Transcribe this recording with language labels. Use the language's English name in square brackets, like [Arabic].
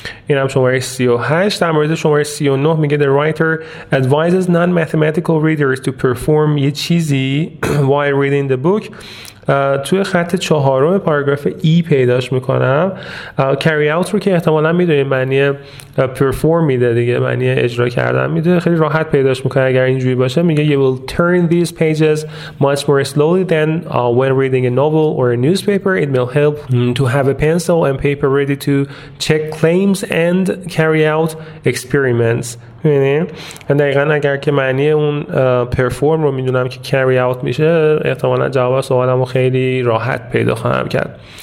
[Persian] این هم شماره 38. در مورد شماره 39 میگه [English] the writer advises non-mathematical readers to perform [Persian] یه چیزی [English] while reading the book [Persian] توی خط چهارم پاراگراف ای پیداش میکنم. carry out رو که احتمالا میدونیم معنی perform میده دیگه، معنی اجرا کردن میده، خیلی راحت پیداش میکنه اگر اینجوری باشه. [English] میگه you will turn these pages much more slowly than when reading a novel or a newspaper. It will help to have a pencil and paper ready to check claims and carry out experiments. [Persian] دقیقا اگر که معنی اون perform رو میدونم که carry out میشه، احتمالا جواب سوالم رو خیلی راحت پیدا خواهم کرد.